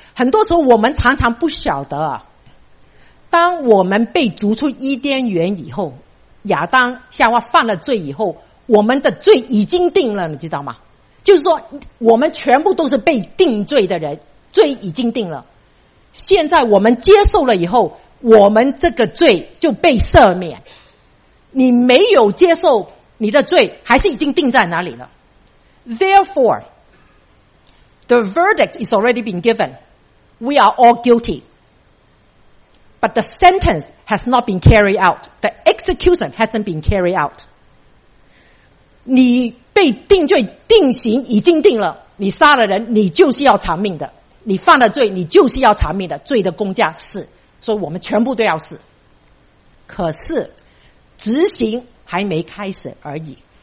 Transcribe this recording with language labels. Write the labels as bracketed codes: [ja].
[zh] 很多时候我们常常不晓得，当我们被逐出伊甸园以后，亚当夏娃犯了罪以后，我们的罪已经定了，你知道吗？就是说我们全部都是被定罪的人，罪已经定了，现在我们接受了以后，我们这个罪就被赦免。你没有接受，你的罪还是已经定在哪里了。 [en] Therefore the verdict is already been given, we are all guilty, but the sentence has not been carried out, the execution hasn't been carried out. [zh] 你被定罪定刑已经定了，你杀了人你就是要偿命的，你犯了罪你就是要偿命的，罪的公价是，所以我们全部都要死，可是执行还没开始而已。